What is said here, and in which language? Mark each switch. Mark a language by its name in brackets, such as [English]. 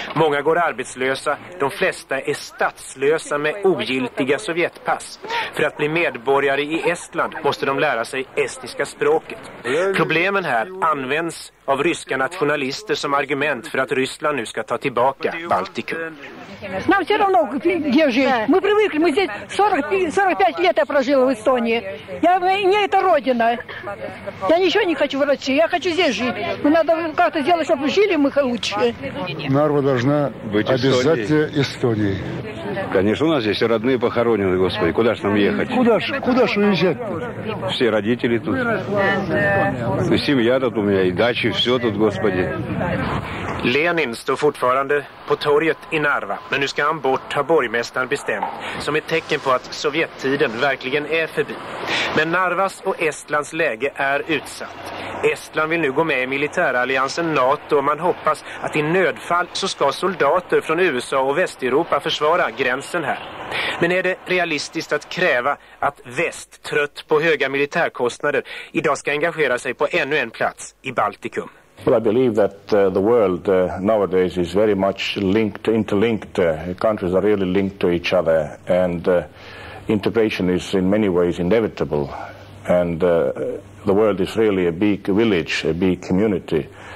[Swedish] Många går arbetslösa. De flesta är statslösa med ogiltiga sovjetpass. För att bli medborgare i Estland måste de lära sig estniska språket. Problemen här används av ryska nationalister som argument för att Ryssland nu ska ta tillbaka Baltikum. [Russian] Нам все равно, где жить. Мы привыкли, мы здесь 45 лет я прожила в Эстонии. Я, мне это родина. Я ничего не хочу в России, я хочу здесь жить. Мы надо как-то сделать, чтобы жили мы лучше. Нарва должна быть обязательно Эстонией. Конечно, у нас здесь родные похоронены, Господи. Куда же нам ехать? Куда же уезжать? Все родители тут. И семья тут у меня, и дачи, все тут, Господи. [Swedish] Ленин står fortfarande på torget i Narva, men nu ska han bort, har borgmästaren bestämt, som ett tecken på att sovjettiden verkligen är förbi. Men Narvas och Estlands läge är utsatt. Estland vill nu gå med i militäralliansen NATO och man hoppas att i nödfall så ska soldater från USA och Västeuropa försvara gränsen här. Men är det realistiskt att kräva att väst, trött på höga militärkostnader, idag ska engagera sig på ännu en plats i Baltikum? [English] Well, I believe that the world nowadays is very much linked, interlinked. Countries are really linked to each other, and integration is in many ways inevitable. And the world is really a big village, a big community.